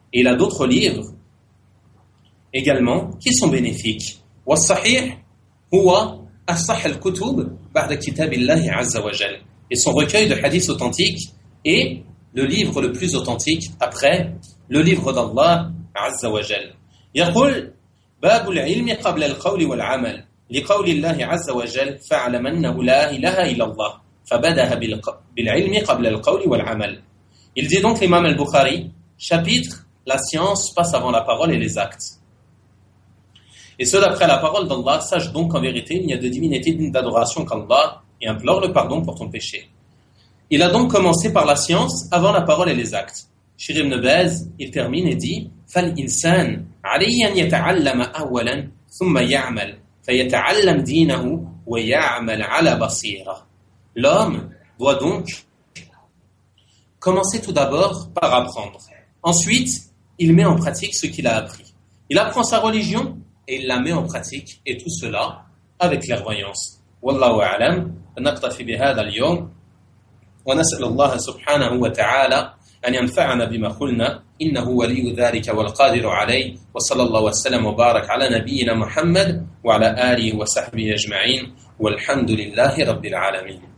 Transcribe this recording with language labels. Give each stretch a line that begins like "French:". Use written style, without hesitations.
French: Il a d'autres livres également qui sont bénéfiques.
Arabic: Wa sahih huwa Asah al-Kutub,
French: par le Kitab Allah Azza wa Jal. Et son recueil de hadiths authentiques est le livre le plus authentique après le livre d'Allah Azza wa Jal.
Arabic: Yaqul, باب العلم قبل القول والعمل لقول الله عز وجل فاعلم أنه لا إله إلا الله فبدأ بالعلم قبل القول والعمل.
French: Il dit donc l'imam al-Bukhari, chapitre, la science passe avant la parole et les actes. Et ce d'après la parole d'Allah, sache donc qu'en vérité il n'y a de divinité ni d'adoration qu'Allah et implore le pardon pour ton péché. Il a donc commencé par la science avant la parole et les actes. Shir ibn Baz, il termine et dit «
Arabic: فالإنسان عليه أن يتعلم أولا ثم يعمل فيتعلم دينه ويعمل على بصيرة.
French: » L'homme doit donc commencer tout d'abord par apprendre. Ensuite, il met en pratique ce qu'il a appris. Il apprend sa religion et il la met en pratique et tout cela avec clairvoyance.
Arabic: « والله أعلم نقتفي بهذا اليوم ونسأل الله سبحانه وتعالى أن ينفعنا بما قلنا إنه ولي ذلك والقادر عليه وصلى الله وسلم وبارك على نبينا محمد وعلى آله وصحبه أجمعين والحمد لله رب العالمين.